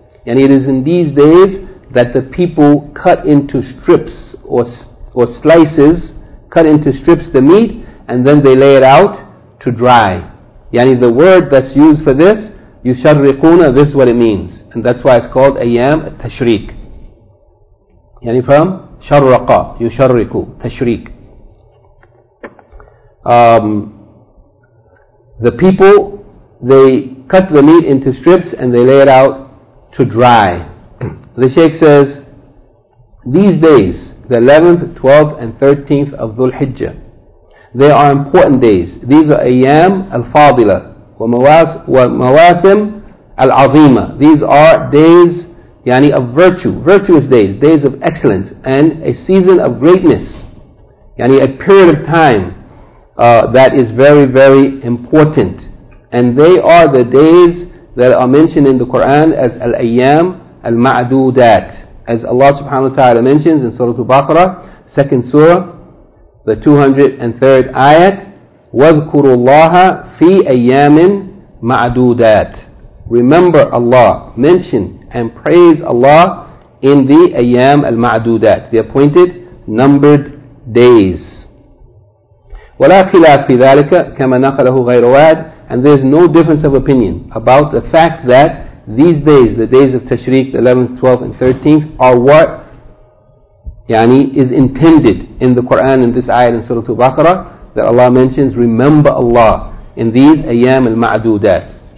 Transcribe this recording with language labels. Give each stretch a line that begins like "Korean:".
English: And it is in these days that the people cut into strips or slices, cut into strips the meat, and then they lay it out to dry. Yani the word that's used for this, يُشَرِّقُونَ, this is what it means. And that's why it's called أيام التشريق. Yani from شرق, يشرق, تشريق. The people, they cut the meat into strips and they lay it out to dry. The Shaykh says, these days, the 11th, 12th and 13th of Dhul Hijjah, they are important days. These are
Arabic: Ayyam al-Fadila wa Mawasim al-Azima.
English: These are days, yani, of virtue, virtuous days, days of excellence and a season of greatness, yani a period of time that is very, very important. And they are the days that are mentioned in the Quran as Al-Ayyam Al-Ma'dudat. As Allah subhanahu wa ta'ala mentions in Surah Al-Baqarah, second surah, the 203rd ayat,
Arabic: وَذْكُرُوا اللَّهَ فِي أَيَّامٍ مَعْدُودَاتٍ.
English: Remember Allah, mention and praise Allah in the Ayyam Al-Ma'dudat, the appointed numbered days.
Arabic: ولا خلاف في ذلك كما نقله غير واحد.
English: And there's no difference of opinion about the fact that these days, the days of Tashriq, the 11th, 12th and 13th, are what, yani, is intended in the Quran in this ayah in Surah Al-Baqarah, that Allah mentions, remember Allah in these ayyam al-ma'dudat.